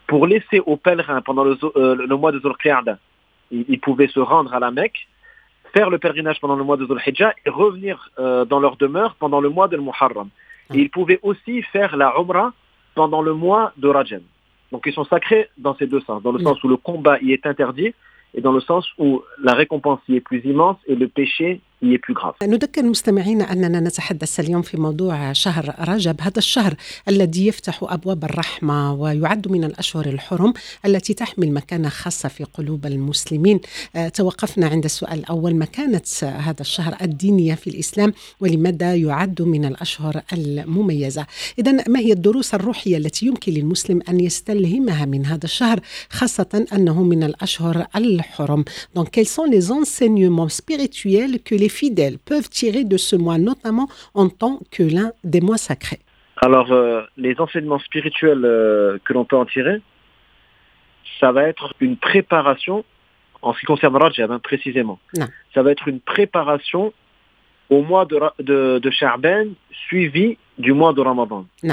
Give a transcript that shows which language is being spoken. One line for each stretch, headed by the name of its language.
French: Pour laisser aux pèlerins, pendant le mois de Zulqa'dah, ils pouvaient se rendre à la Mecque, faire le pèlerinage pendant le mois de Dhul-Hijjah et revenir dans leur demeure pendant le mois de Muharram. Et ils pouvaient aussi faire la Umrah pendant le mois de Rajab. Donc ils sont sacrés dans ces deux sens, dans le sens où le combat y est interdit et dans le sens où la récompense y est plus immense et le péché
Arabic: نذكر المستمعين أننا نتحدث اليوم في موضوع شهر رجب، هذا الشهر الذي يفتح أبواب الرحمة ويعد من الأشهر الحرم التي تحمل مكانة خاصة في قلوب المسلمين. توقفنا عند السؤال الأول، مكانة هذا الشهر الدينية في الإسلام ولماذا يعد من الأشهر المميزة؟ إذن ما هي الدروس الروحية التي يمكن للمسلم أن يستلهمها من هذا الشهر خاصة أنه من الأشهر الحرم؟
French: Donc quels sont les enseignements spirituels que les fidèles peuvent tirer de ce mois, notamment en tant que l'un des mois sacrés? Alors, les enseignements spirituels que l'on peut en tirer, ça va être une préparation, en ce qui concerne Rajab, hein, précisément, ça va être une préparation au mois de Sha'ban, suivi du mois de Ramadan.